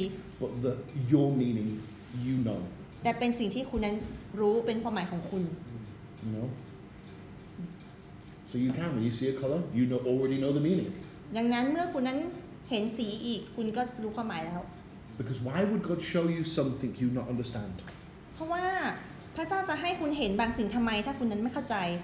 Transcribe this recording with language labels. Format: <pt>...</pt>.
<en>But the your meaning you know.</en> <th>แต่เป็นสิ่งที่คุณนั้นรู้เป็นความหมายของคุณ</th> <en>No. So you can when you see a color, you know already know the meaning.</en> <th>ดังนั้นเมื่อคุณนั้นเห็นสีอีกคุณก็รู้ความหมายแล้ว</th> <en>Because why would God show you something you not understand?</en> <th>เพราะว่าพระเจ้าจะให้คุณเห็นบางสิ่งทำไมถ้าคุณนั้นไม่เข้าใจ</th>